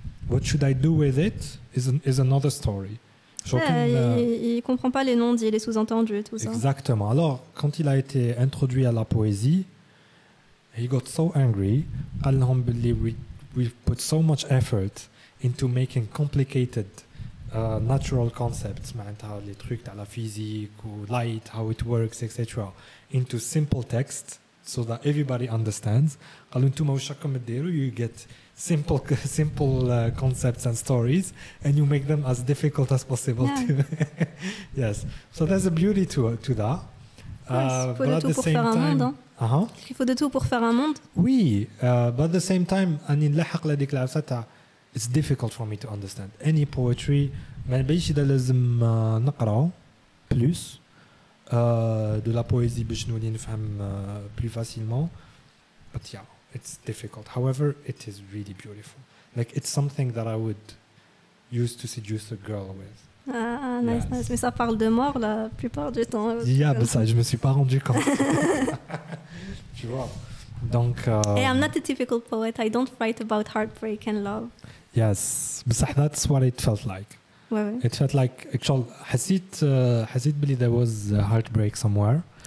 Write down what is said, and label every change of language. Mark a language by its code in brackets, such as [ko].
[en] What should I do with it is another story. [fr] Il comprend pas les non-dits, les sous-entendus et tout ça. Exactement. Alors, quand il a été introduit à la poésie, [en] he got so angry. We put so much effort into making complicated natural concepts, [fr] les trucs de la physique, ou [en] light, how it works, etc., into simple text so that everybody understands. You get simple concepts and stories, and you make them as difficult as possible. Yeah. Yes. So there's a beauty to that. [fr] Il faut de tout pour faire un monde. [en] Oui, but at the same time, it's difficult for me to understand any poetry. [fr] Mais il faut que plus de la poésie pour nous dire plus facilement. [en] But yeah, it's difficult. However, it is really beautiful. Like it's something that I would use to seduce a girl with. Ah, nice, yes. [fr] Nice. Mais ça parle de mort la plupart du temps. Yeah, mais ça, je me suis pas rendu compte. Tu vois. Donc. [en] Hey, I'm not a typical poet. I don't write about heartbreak and love. Yes, but that's what it felt like. [fr] Ouais. [en] It felt like actually, has it believe there was a heartbreak somewhere?